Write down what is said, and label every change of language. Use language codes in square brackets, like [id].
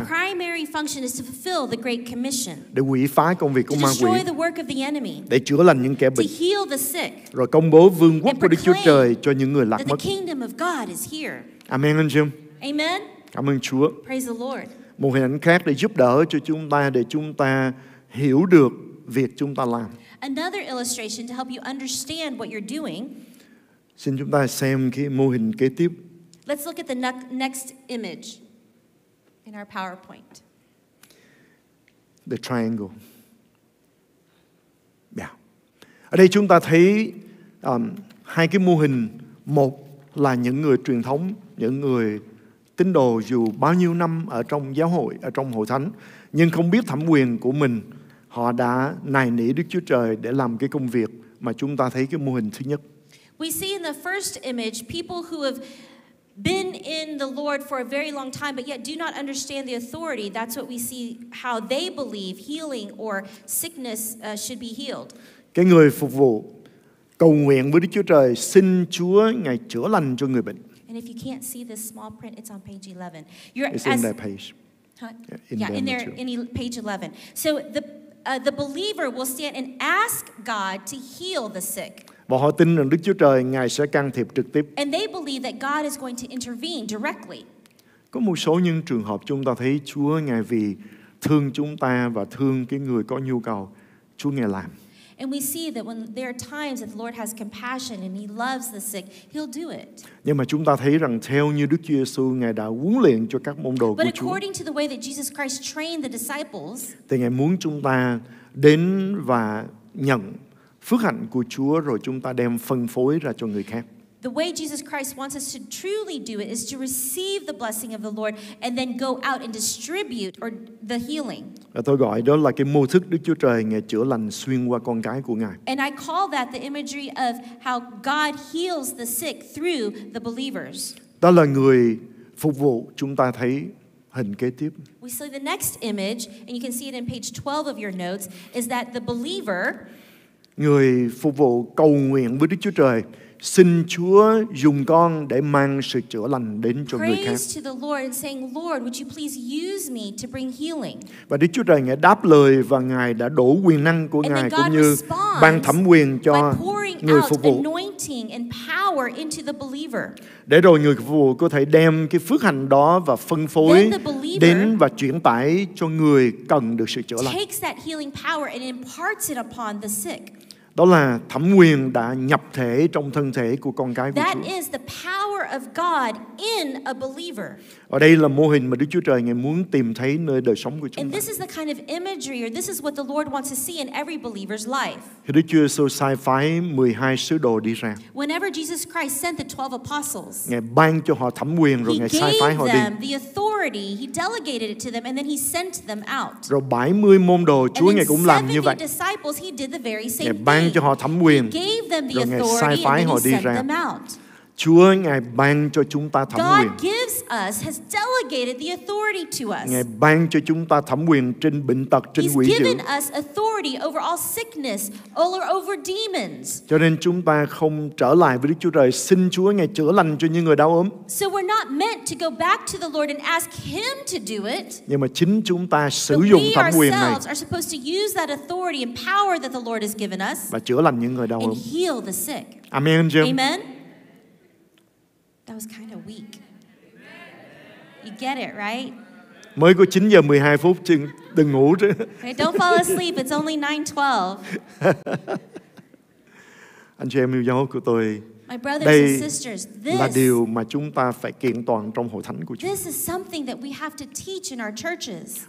[en] Our primary function is to fulfill the Great Commission. [vi] Để hủy phá công việc của ma quỷ. [en] To destroy the work of the enemy. [vi] Để chữa lành những kẻ bệnh. [en] To heal the sick. [vi] Rồi công bố vương quốc của Đức Chúa Trời cho những người lạc mất. [en] That the kingdom of God is here. [vi] Amen, anh chị em. [en] Amen. [vi] Cảm ơn Chúa. [en] Praise the Lord. [vi] Một hình ảnh khác để giúp đỡ cho chúng ta, để chúng ta hiểu được việc chúng ta làm. [en] Another illustration to help you understand what you're doing. [vi] Xin chúng ta xem cái mô hình kế tiếp. [en] Let's look at the next image in our PowerPoint. The triangle. Yeah. [vi] Ở đây chúng ta thấy hai cái mô hình. Một là những người truyền thống, những người tín đồ dù bao nhiêu năm ở trong giáo hội, ở trong hội thánh, nhưng không biết thẩm quyền của mình, họ đã nài nỉ Đức Chúa Trời để làm cái công việc mà chúng ta thấy cái mô hình thứ nhất. [en] We see in the first image people who have been in the Lord for a very long time but yet do not understand the authority. That's what we see, how they believe healing or sickness should be healed. [vi] Cái người phục vụ cầu nguyện với Đức Chúa Trời, xin Chúa ngài chữa lành cho người bệnh. [en] And if you can't see this small print, it's on page 11. Page 11. So the believer will stand and ask God to heal the sick. [vi] Và họ tin rằng Đức Chúa Trời ngài sẽ can thiệp trực tiếp. [en] And they believe that God is going to intervene directly. [vi] Có một số những trường hợp chúng ta thấy Chúa ngài vì thương chúng ta và thương cái người có nhu cầu, Chúa ngài làm. [en] And we see that when there are times that the Lord has compassion and he loves the sick, he'll do it. [vi] Nhưng mà chúng ta thấy rằng theo như Đức Chúa Giêsu ngài đã huấn luyện cho các môn đồ của Chúa. [en] But according to the way that Jesus Christ trained the disciples, [vi] thì ngài muốn chúng ta đến và nhận phước hạnh của Chúa rồi chúng ta đem phân phối ra cho người khác. [en] The way Jesus Christ wants us to truly do it is to receive the blessing of the Lord and then go out and distribute or the healing. [vi] Tôi gọi đó là cái mô thức Đức Chúa Trời ngài chữa lành xuyên qua con cái của ngài. [en] And I call that the imagery of how God heals the sick through the believers. [vi] Đó là người phục vụ, chúng ta thấy hình kế tiếp. [en] We see the next image and you can see it in page 12 of your notes is that the believer, [vi] người phục vụ cầu nguyện với Đức Chúa Trời, xin Chúa dùng con để mang sự chữa lành đến cho người khác. [en] Praise to the Lord and saying, Lord, would you please use me to bring healing? [vi] Và Đức Chúa Trời ngài đáp lời và ngài đã đổ quyền năng của ngài cũng như ban thẩm quyền cho người phục vụ. [en] Anointing and power into the believer. [vi] Để rồi người phục vụ có thể đem cái phước hạnh đó và phân phối đến và chuyển tải cho người cần được sự chữa lành. [en] Takes that healing power and imparts it upon the sick. [vi] Đó là thẩm quyền đã nhập thể trong thân thể của con cái của [en] That [vi] Chúa. [en] Is the power of God in a believer. [vi] Ở đây là mô hình mà Đức Chúa Trời ngài muốn tìm thấy nơi đời sống của chúng [en] And [vi] ta. [en] This is the kind of imagery or this is what the Lord wants to see in every believer's life. [vi] Khi Đức Chúa Giêsu sai phái 12 sứ đồ đi ra. [en] Whenever Jesus Christ sent the 12 apostles. [vi] Ngài ban cho họ thẩm quyền rồi ngài sai phái họ đi. [en] He gave them the authority, he delegated it to them and then he sent them out. [vi] Rồi 70 môn đồ Chúa ngài cũng làm như vậy. [en] Disciples, he did the very same [vi] ngài ban cho họ thẩm quyền. Rồi ngài sai phái họ đi ra. Chúa ngài ban cho chúng ta thẩm quyền. [en] God gives us, has delegated the authority to us. [vi] Ngài ban cho chúng ta thẩm quyền trên bệnh tật, trên quỷ dữ. [en] He's given us authority over all sickness, over demons. [vi] Cho nên chúng ta không trở lại với Đức Chúa Trời xin Chúa ngài chữa lành cho những người đau ốm. [en] So we're not meant to go back to the Lord and ask him to do it. [vi] Nhưng mà chính chúng ta sử dụng thẩm quyền này. [en] We ourselves are supposed to use that authority and power that the Lord has given us. [vi] Và chữa lành những người đau ốm. [en] And heal the sick. Amen. Amen. That was kind of weak. You get it, right? [vi] Mới có 9 giờ 12 phút, chứ đừng ngủ chứ. [en] Don't fall asleep, it's only 9:12. [vi] Anh chị em yêu dấu của tôi, [en] My brothers and sisters, this [vi] là điều mà chúng ta phải kiện toàn trong hội thánh của Chúa. [en] This is something that we have to teach in our churches.